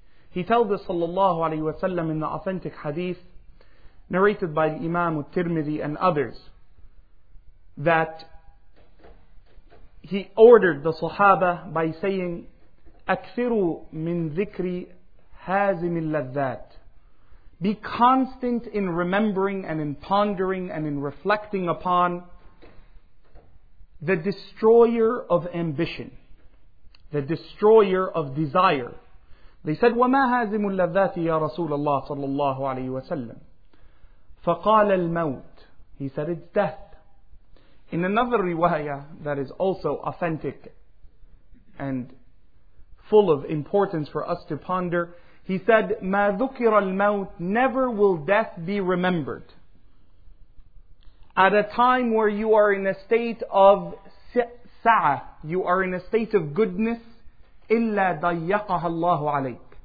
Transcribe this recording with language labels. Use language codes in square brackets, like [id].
[en] He tells us sallallahu alaihi wasallam in the authentic hadith narrated by the Imam al-Tirmidhi and others, that he ordered the Sahaba by saying, [ar] "Akthiru min dhikri hazim al-ladhat." [en] Be constant in remembering and in pondering and in reflecting upon the destroyer of ambition, the destroyer of desire. [ar] They said, وَمَا هَازِمُ اللَّذَّاتِ يَا رَسُولَ اللَّهِ صَلَّى اللَّهُ عَلَيْهِ وَسَلَّمُ فَقَالَ الْمَوْتِ. [en] He said, it's death. In another riwayah that is also authentic and full of importance for us to ponder, he said, [ar] مَا ذُكِرَ الْمَوْتِ. [en] Never will death be remembered. At a time where you are in a state of sa'a, you are in a state of goodness, [ar] إِلَّا ضَيَّقَهَا اللَّهُ عَلَيْكَ.